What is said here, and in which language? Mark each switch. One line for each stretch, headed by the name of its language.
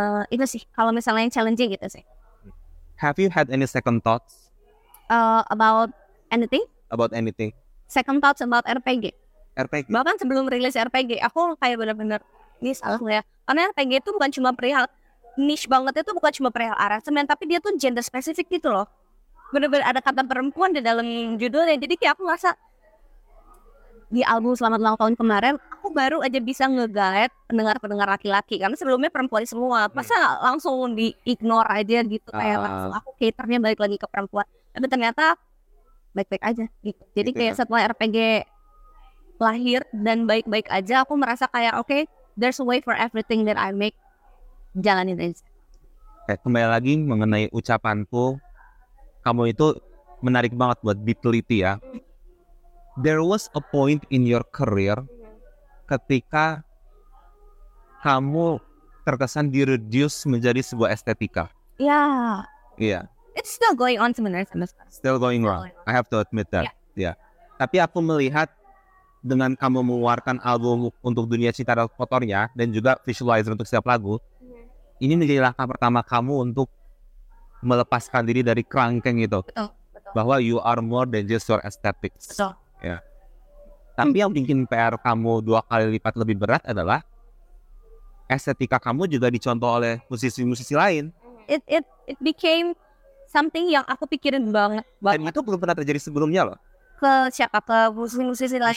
Indonesian: Itu sih kalau misalnya yang challenging gitu sih.
English: Have you had any second thoughts? About anything? About anything. Second thoughts about RPG? RPG.
Indonesian: Bahkan sebelum rilis RPG, aku kayak benar-benar ini salah nggak ya? Karena RPG itu bukan cuma perihal niche banget, itu bukan cuma perihal harassment, tapi dia tuh gender spesifik gitu loh. Benar-benar ada kata perempuan di dalam judulnya. Jadi kayak aku ngerasa di album Selamat Ulang Tahun kemarin, aku baru aja bisa nge-guide pendengar-pendengar laki-laki, karena sebelumnya perempuan semua. Masa langsung di-ignore aja gitu, kayak langsung aku caternya balik lagi ke perempuan. Tapi ternyata baik-baik aja gitu. Jadi gitu kayak ya, setelah RPG lahir dan baik-baik aja, aku merasa kayak
English: okay, there's a way for everything that I make,
Indonesian: jalanin aja. Eh, kembali lagi mengenai ucapanku, kamu itu menarik banget buat diteliti ya.
English: There was a point in your career
Indonesian: ketika kamu terkesan di reduce menjadi sebuah estetika.
English: Yeah. It's still going on
Indonesian: sebenarnya.
English: Still going on. I have to admit that. Yeah.
Indonesian: Tapi aku melihat dengan kamu mengeluarkan album untuk dunia cinta dan kotornya, dan juga visualizer untuk setiap lagu, ini menjadi langkah pertama kamu untuk melepaskan diri dari kerangkeng itu. Betul, betul. Bahwa
English: you are more than just your aesthetics.
Indonesian: Betul. Ya. Tapi yang bikin PR kamu dua kali lipat lebih berat adalah estetika kamu juga dicontoh oleh musisi-musisi lain.
English: It became something
Indonesian: yang aku pikirin banget. Dan itu belum pernah terjadi sebelumnya loh. Ke siapa? Ke musisi-musisi lain.